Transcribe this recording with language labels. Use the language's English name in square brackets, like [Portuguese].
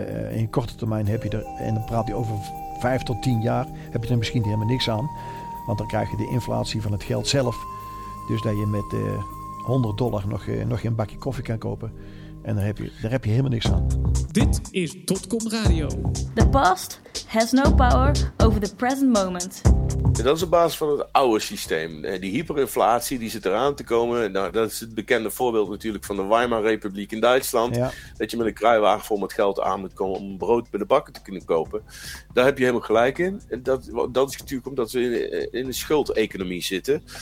[Dutch] In korte termijn heb je er, en dan praat hij over 5 tot 10 jaar, heb je er misschien helemaal niks aan. Want dan krijg je de inflatie van het geld zelf. Dus dat je met $100 nog een bakje koffie kan kopen. En daar heb je helemaal niks aan. Dit is .com Radio. [English] The past has no power over the present moment. [Dutch] En dat is op basis van het oude systeem. Die hyperinflatie die zit eraan te komen. Nou, dat is het bekende voorbeeld natuurlijk van de Weimar Republiek in Duitsland. Ja. Dat je met een kruiwagen vol met geld aan moet komen om brood bij de bakker te kunnen kopen. Daar heb je helemaal gelijk in. En dat is natuurlijk omdat we in een schuldeconomie zitten.